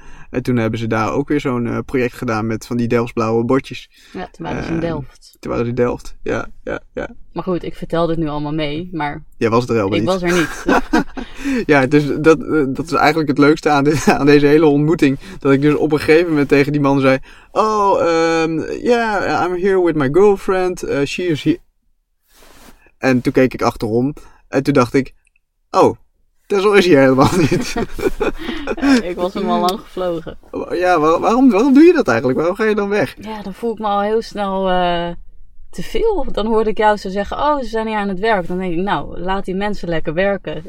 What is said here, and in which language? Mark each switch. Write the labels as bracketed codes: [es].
[nl] En toen hebben ze daar ook weer zo'n project gedaan met van die Delftsblauwe bordjes. Ja, toen waren ze in Delft. Toen waren ze in Delft, ja, ja, ja. Maar goed, ik vertel dit nu allemaal mee, maar... Jij was er helemaal niet. Ik was er niet. Ja, dus dat is eigenlijk het leukste aan deze hele ontmoeting. Dat ik dus op een gegeven moment tegen die man zei... [en] Oh, I'm here with my girlfriend. She is here. [nl] En toen keek ik achterom en toen dacht ik, oh, Tessel is hier helemaal niet. Ja, ik was hem al lang gevlogen. Ja, waarom doe je dat eigenlijk? Waarom ga je dan weg? Ja, dan voel ik me al heel snel te veel. Dan hoorde ik jou zo zeggen, oh, ze zijn hier aan het werk. Dan denk ik, nou, laat die mensen lekker werken.